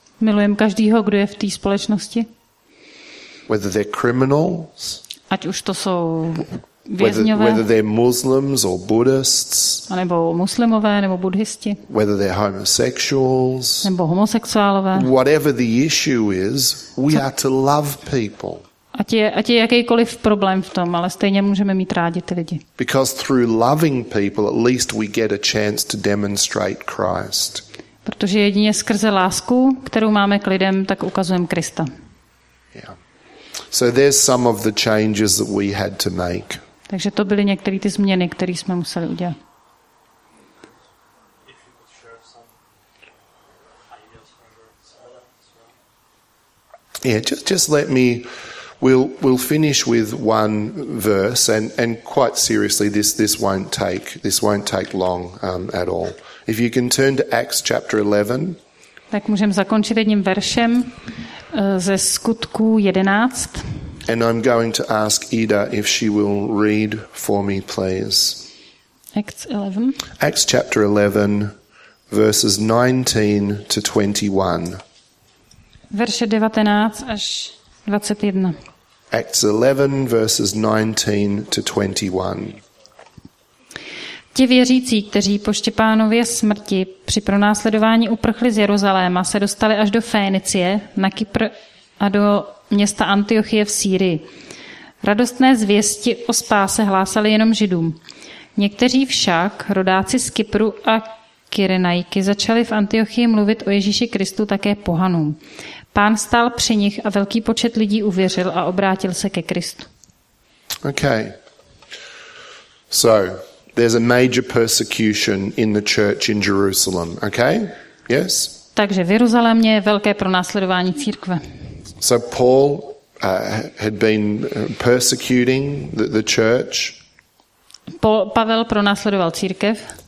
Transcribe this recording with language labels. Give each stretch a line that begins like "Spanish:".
Czech: Milujeme každého, kdo je v té společnosti.
English: Whether they're criminals.
Czech: Ať už to jsou
English: Whether they're Muslims or Buddhists,
Czech: nebo muslimové nebo buddhisti,
English: whether they're homosexuals,
Czech: nebo homosexuálové,
English: whatever the issue is, we are to love people.
Czech: Ať je jakýkoliv problém v tom, ale stejně můžeme mít rádi ty lidi.
English: Because through loving people, at least we get a chance to demonstrate Christ.
Czech: Protože jedině skrze lásku, kterou máme k lidem, tak ukazujeme Krista.
English: Yeah. So there's some of the changes that we had to make.
Czech: Takže to byly některé ty změny, které jsme museli udělat.
English: Yeah, just let me we'll finish with one verse and quite seriously this won't take long at all. If you can turn to Acts chapter 11.
Czech: Tak můžeme zakončit jedním veršem ze Skutků 11.
English: And I'm going to ask Ida if she will read for me, please. Acts 11. Acts chapter 11, verses 19 to 21.
Czech: Verše 19 až 21.
English: Acts 11, verses 19 to 21.
Czech: Ti věřící, kteří po Štěpánově smrti při pronásledování uprchli z Jeruzaléma, se dostali až do Fénicie, na Kypr a do města Antiochie v Sýrii. Radostné zvěsti o spáse hlásali jenom Židům. Někteří však, rodáci z Kypru a Kyrenajky, začali v Antiochii mluvit o Ježíši Kristu také pohanům. Pán stál při nich a velký počet lidí uvěřil a obrátil se ke Kristu.
English: Okay. So. There's a major persecution in the church in Jerusalem, okay? Yes?
Czech: Takže v Jeruzalémě je velké pronásledování církve.
English: So Paul had been persecuting the church.
Czech: Pavel pronásledoval církev.